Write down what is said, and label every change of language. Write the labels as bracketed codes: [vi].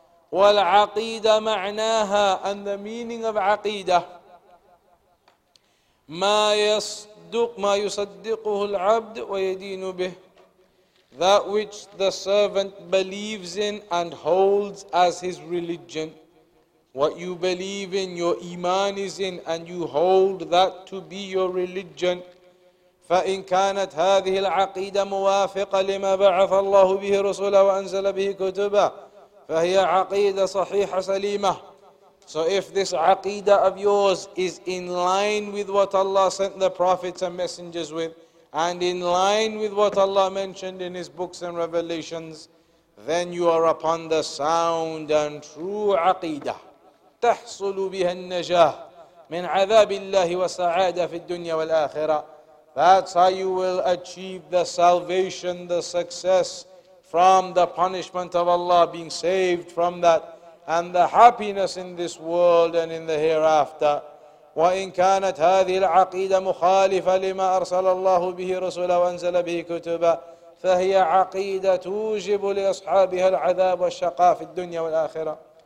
[ar] Wal aqidah ma'naha, [en] and the meaning of aqidah, [ar] ma yasduq ma yusaddiquhu al-'abd wa yadinu bih, [en] that which the servant believes in and holds as his religion. What you believe in, your iman is in, and you hold that to be your religion. [ar] فإن كانت هذه العقيدة موافقة لما بعث الله به رسله وأنزل به كتبه فهي عقيدة صحيحة سليمة. [en] So if this aqidah of yours is in line with what Allah sent the prophets and messengers with, and in line with what Allah mentioned in His books and revelations, then you are upon the sound and true aqidah. [ar] تحصل بها النجاة من عذاب الله وسعادة في الدنيا والآخرة. [en] That's how you will achieve the salvation, the success from the punishment of Allah, being saved from that, and the happiness in this world and in the hereafter. [ar] وَإِنْ كَانَتْ هَذِهِ الْعَقِيدَةُ مُخَالِفَةً لِمَا أَرْسَلَ اللَّهُ بِهِ رُسُلًا وَأَنْزَلَ بِهِ كُتُبًا فَهِيَ عَقِيدَةٌ تُوجِبُ لِأَصْحَابِهَا الْعَذَابَ وَالشَّقَاءَ فِي الدُّنْيَا وَالْآخِرَةِ.